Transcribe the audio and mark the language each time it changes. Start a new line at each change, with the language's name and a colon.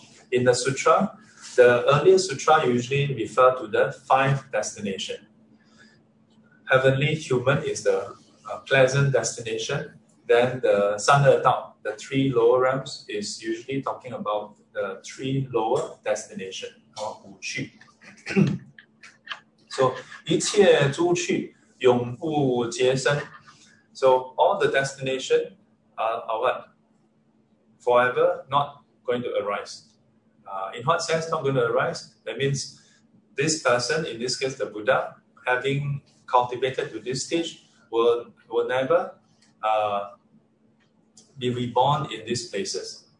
English: In the sutra, the earlier sutra usually refer to the five destination. Heavenly human is the pleasant destination. Then the sanatam, the three lower realms, is usually talking about the three lower destination, or 五趣. So,
Chinese: 一切诸趣永不皆生.
English: So, all the destination are what? Forever, not going to arise. In what sense not going to arise? That means this person, in this case the Buddha, having cultivated to this stage, will never be reborn in these places.